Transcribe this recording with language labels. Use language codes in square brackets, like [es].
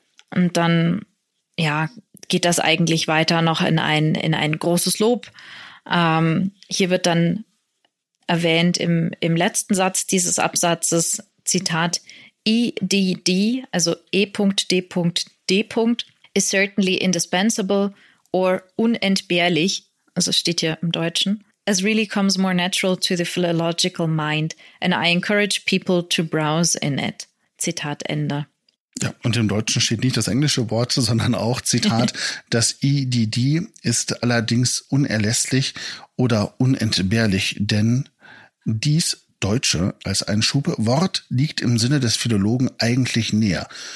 [de] Und dann ja, geht das eigentlich weiter noch in ein großes Lob. Hier wird dann erwähnt im letzten Satz dieses Absatzes, Zitat, EDD, also E.D.D. [en] is certainly indispensable or unentbehrlich, [de] also steht hier im Deutschen, [en] as really comes more natural to the philological mind and I encourage people to browse in it. [de] Zitat Ende. Ja, und im Deutschen steht nicht das englische Wort, sondern auch, Zitat, das EDD ist allerdings unerlässlich oder unentbehrlich, denn dies Deutsche als Einschub Wort liegt im Sinne des Philologen eigentlich näher.